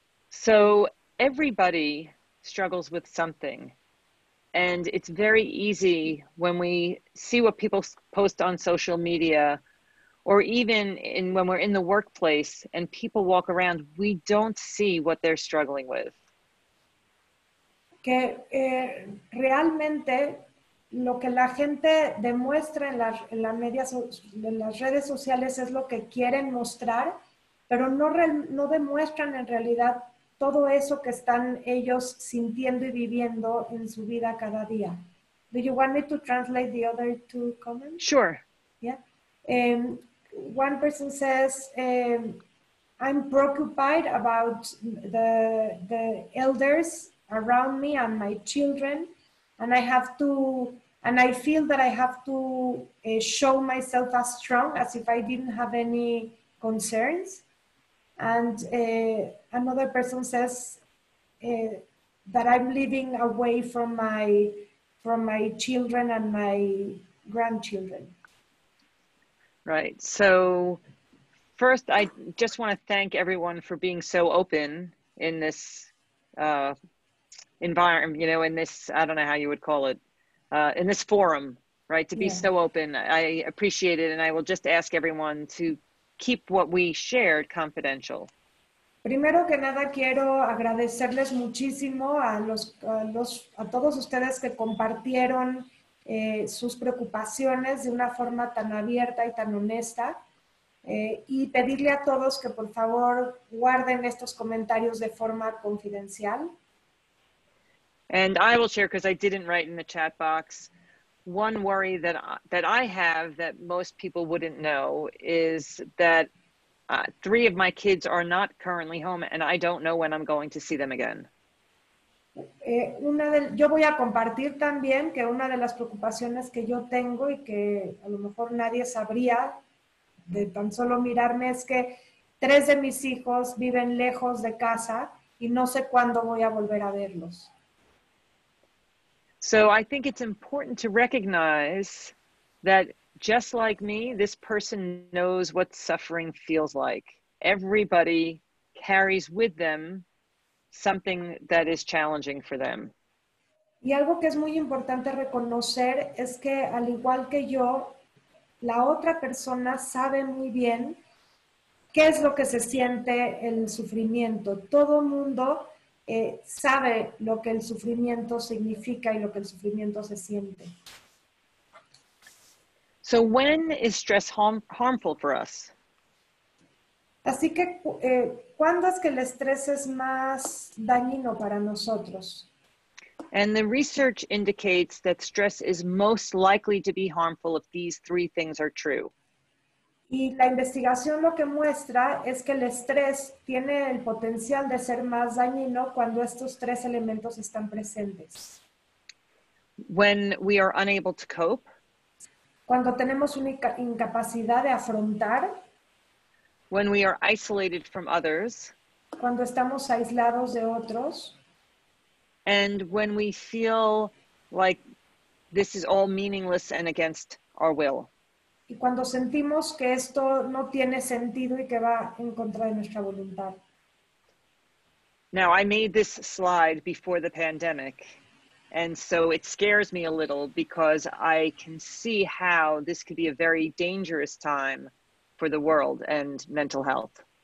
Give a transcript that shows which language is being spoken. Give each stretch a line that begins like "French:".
English: So everybody struggles with something. And it's very easy when we see what people post on social media, or even in when we're in the workplace and people walk around, we don't see what they're struggling with.
Spanish: Que realmente lo que la gente demuestra en las redes sociales es lo que quieren mostrar, pero no demuestran en realidad todo eso que están ellos sintiendo y viviendo en su vida cada día.
English: Do you want me to translate the other two comments? Sure. Yeah. One person says, I'm preoccupied about the elders around me and my children, and I have to, and I feel that I have to show myself as strong, as if I didn't have any concerns. And another person says that I'm living away from my children and my grandchildren. Right. So first, I just want to thank everyone for being so open in this environment, you know, in this, I don't know how you would call it, in this forum, right? To be so open. I appreciate it. And I will just ask everyone to keep what we shared confidential.
Spanish: Primero que nada, quiero agradecerles muchísimo a todos ustedes que compartieron sus preocupaciones de una forma tan abierta y tan honesta. Y pedirle a todos que por favor guarden estos comentarios de forma confidencial.
English: And I will share, because I didn't write in the chat box, one worry that I have that most people wouldn't know is that three of my kids are not currently home, and I don't know when I'm going to see them again.
Spanish: Yo voy a compartir también que una de las preocupaciones que yo tengo y que a lo mejor nadie sabría de tan solo mirarme es que tres de mis hijos viven lejos de casa y no sé cuándo voy a volver a verlos.
English: So I think it's important to recognize that just like me, this person knows what suffering feels like. Everybody carries with them something that is challenging for them.
Spanish: Y algo que es muy importante reconocer es que al igual que yo, la otra persona sabe muy bien qué es lo que se siente el sufrimiento. Todo mundo sabe lo que el sufrimiento significa y lo que el sufrimiento se siente.
English: So when is stress harmful for us?
Spanish: Así que, ¿cuándo es que el estrés es más dañino para nosotros?
English: And the research indicates that stress is most likely to be harmful if these three things are true.
Spanish: Y la investigación lo que muestra es que el estrés tiene el potencial de ser más dañino cuando estos tres elementos están presentes.
English: When we are unable to cope.
Spanish: Cuando tenemos una incapacidad de afrontar.
English: When we are isolated from others.
Spanish: Cuando estamos aislados de otros.
English: And when we feel like this is all meaningless and against our will.
Spanish: Y cuando sentimos que esto no tiene sentido y que va en contra de nuestra voluntad.
English: Now, I made this slide before the pandemic, and so it scares me a little because I can see how this could be a very dangerous time for the world and mental health.